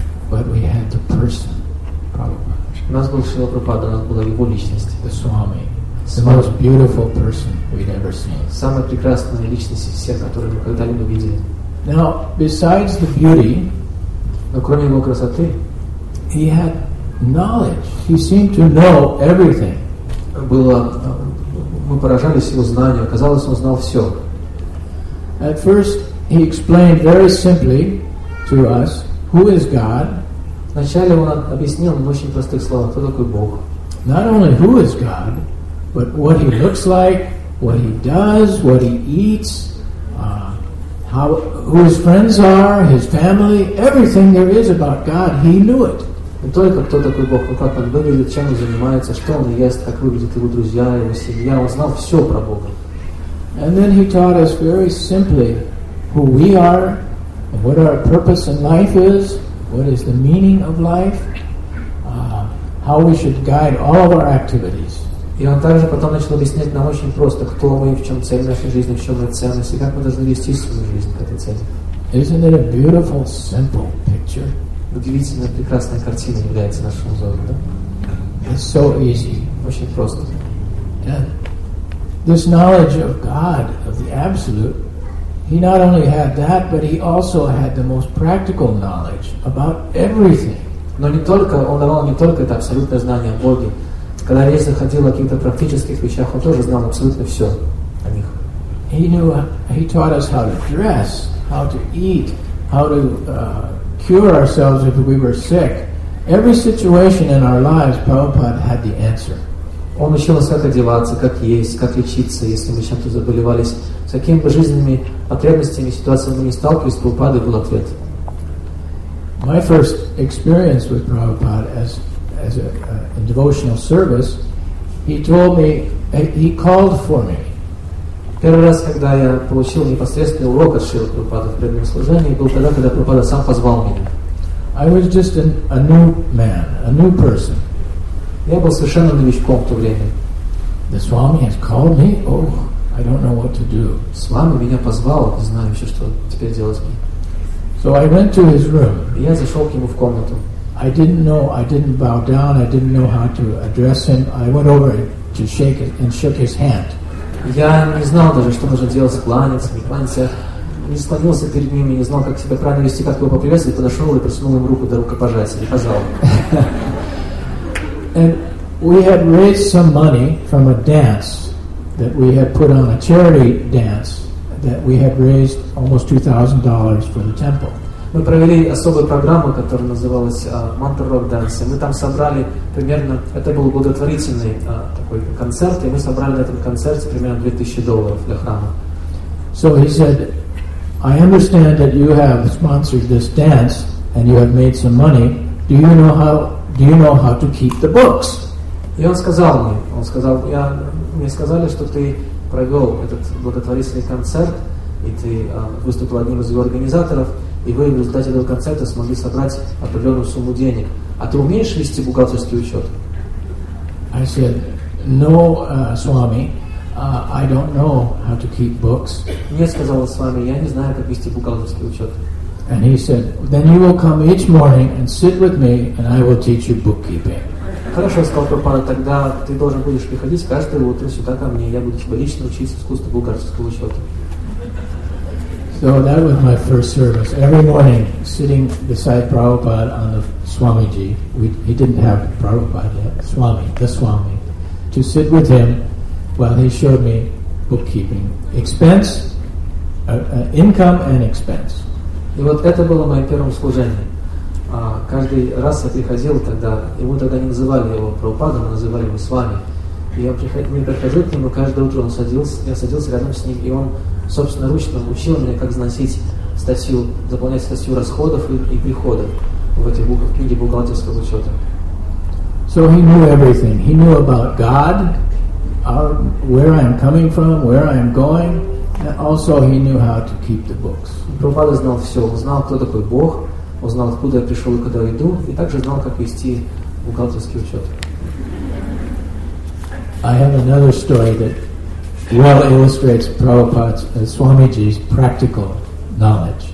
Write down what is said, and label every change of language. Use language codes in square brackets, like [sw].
[en] But we had the person, Prabhupada. [ru] У нас был Шрила Прабхупада, у нас была его личность. [en] The Swami, the most beautiful person we'd ever seen. [ru] Самая прекрасная личность из всех, которую мы когда-либо видели. [en] Now, besides the beauty, [ru] но кроме его красоты, [en] he had knowledge. He seemed to know everything. [ru] Было, мы поражались его знанию. Казалось, он знал все. [en] At first, he explained very simply to us who is God. [ru] Вначале он объяснил в очень простых словах, кто такой Бог. [en] Not only who is God, but what he looks like, what he does, what he eats, who his friends are, his family, everything there is about God, he knew it. [ru] Не только кто такой Бог, но как он выглядит, чем он занимается, что он ест, как выглядят его друзья, его семья, он знал все про Бога. [en] And then he taught us very simply who we are, what our purpose in life is, what is the meaning of life? How we should guide all of our activities. [ru] И он также потом начал объяснять нам очень просто, кто мы, в чем цель нашей жизни, в чем мы ценность, и как мы должны вести свою жизнь к этой цели. [en] Isn't it a beautiful, simple picture? [ru] Удивительно прекрасная картина является нашим взором, да? [en] It's so easy. [ru] Очень просто. [en] And this knowledge of God, of the Absolute, he not only had that, but he also had the most practical knowledge about everything. [ru] Но не только, он давал не только это абсолютное знание о Боге. Когда речь заходила о каких-то практических вещах, он тоже знал абсолютно все о них. [en] He knew, he taught us how to dress, how to eat, how to cure ourselves if we were sick. Every situation in our lives, Prabhupada had the answer. [ru] Он учил нас, как одеваться, как есть, как лечиться, если мы чем-то заболевались. С какими бы жизненными потребностями, ситуациями мы не сталкивались, Прабхупада был ответ. [en] My first experience with Prabhupada as a devotional service, he told me, he called for me. [ru] Первый раз, когда я получил непосредственный урок от Шрилы Прабхупады в преданном служении, был тогда, когда Прабхупада сам позвал меня. [en] I was just a new man, a new person. [ru] Я был совершенно новичком в то время. [en] The Swami has called me? Oh, I don't know what to do. [ru] Swami меня позвал, не знаю еще, что теперь делать мне. [en] So I went to his room. [ru] Я зашел к нему в комнату. [en] I didn't know, I didn't bow down, I didn't know how to address him. I went over to shake it and shook his hand. [ru] Я не знал даже, что нужно делать, кланяться, не кланяться. Не склонился перед ним, не знал, как себя правильно вести, как его поприветствовать. Подошел и протянул ему руку до рукопожатия, пожал. [en] And we had raised some money from a dance that we had put on, a charity dance that we had raised almost $2,000 for the temple. [ru] Мы провели особую программу, которая называлась Mantra Rock Dance. Мы там собрали примерно, это был благотворительный такой концерт, и мы собрали на этом концерте примерно $2,000 для храма. [en] So he said, I understand that you have sponsored this dance and you have made some money. Do you know how to keep the books? [ru] И он сказал, мне сказали, что ты провел этот благотворительный концерт, и ты выступил одним из его организаторов, и вы в результате этого концерта смогли собрать определенную сумму денег. А ты умеешь вести бухгалтерский учет? [en] I said, no, Swami, I don't know how to keep books. [ru] Мне сказал Свами, я не знаю, как вести бухгалтерский учет. [en] And he said, then you will come each morning and sit with me and I will teach you bookkeeping. [ru] Хорошо, сказал Прабхупада, тогда ты должен будешь приходить каждое утро сюда ко мне, я буду тебя лично учить искусству бухгалтерского учета. [en] So that was my first service. Every morning, sitting beside Prabhupada on the Swamiji, he didn't have Prabhupada yet, the Swami, to sit with him while he showed me bookkeeping. Expense, income and expense. [ru] И вот это было моим первым служением. Каждый раз я приходил тогда, и мы тогда не называли его Прабхупадой, мы называли его Свами. И я приходил к нему, каждое утро я садился рядом с ним, и он собственноручно учил меня, как заносить статью, заполнять статью расходов и приходов в этой книге бухгалтерского учета. [en] So he knew everything. He knew about God, where I am coming from, where I am going, and also he knew how to keep the books. [ru] Прабхупада знал все, он знал, кто такой Бог, он знал, откуда я пришел и куда я иду, и также знал, как вести бухгалтерский учет. [en] I have another story that well illustrates Prabhupada's, Swamiji's practical knowledge.